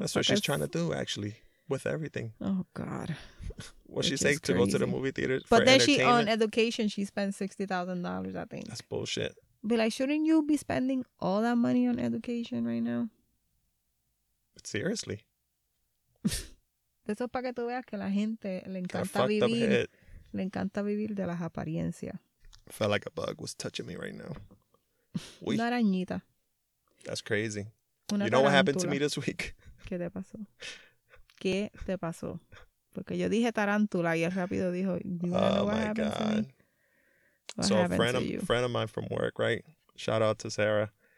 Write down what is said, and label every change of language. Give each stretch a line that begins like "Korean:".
English: That's what she's trying to do, actually, with everything. Oh, God. What she saying to go to the movie theater? But then she on education, she spends $60,000, I think. That's bullshit. Be like, shouldn't you be spending all that money on education right now? But seriously.
Spanish: Eso para que tú veas que la gente le encanta vivir. Le encanta vivir de las apariencias.
English: I felt like a bug was touching me right now.
Spanish: Una arañita.
English: That's crazy. You know what happened to me this week?
Spanish: ¿Qué te pasó? ¿Qué te pasó? Porque yo dije tarántula y él rápido dijo,
English: you wanna know what happened to me? So a friend of mine from work, right? Shout out to Sarah.